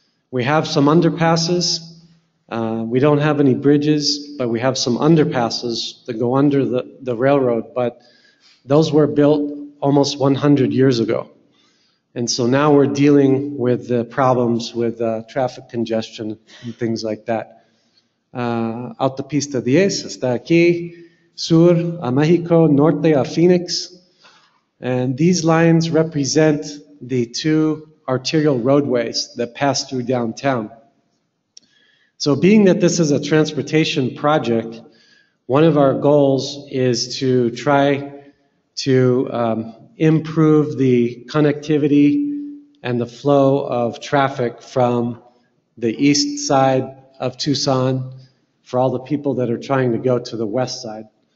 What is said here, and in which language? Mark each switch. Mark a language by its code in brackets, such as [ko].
[en] We have some underpasses. We don't have any bridges, but we have some underpasses that go under the railroad, but those were built almost 100 years ago. And so now we're dealing with the problems with traffic congestion and things like that. [es] Autopista 10 está aquí, sur a México, norte a Phoenix. [en] And these lines represent the two arterial roadways that pass through downtown. So being that this is a transportation project, one of our goals is to try to improve the connectivity and the flow of traffic from the east side of Tucson for all the people that are trying to go to the west side.